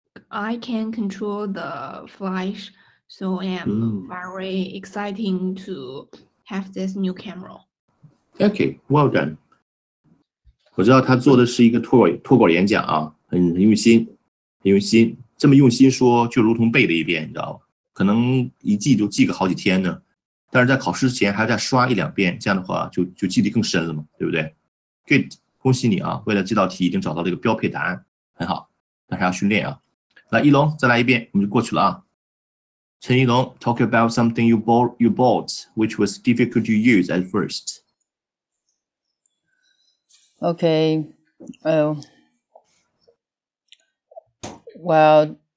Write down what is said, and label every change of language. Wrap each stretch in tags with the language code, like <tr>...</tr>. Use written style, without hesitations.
<en>I can control the flash, so I am very exciting to have this new camera. Okay, well done.</en> <zh>我知道他做的是一个托管演讲啊，很用心，这么用心说，就如同背了一遍，你知道吧？可能一记就记个好几天呢。但是在考试之前还要再刷一两遍，这样的话就记得更深了嘛，对不对 ？Good， 恭喜你啊！为了这道题已经找到这个标配答案，很好。但是要训练啊。来，一龙再来一遍，我们就过去了啊。</zh> <en>陈一龙 ，talk about something you bought which was difficult to use at first. Okay. Well.</en>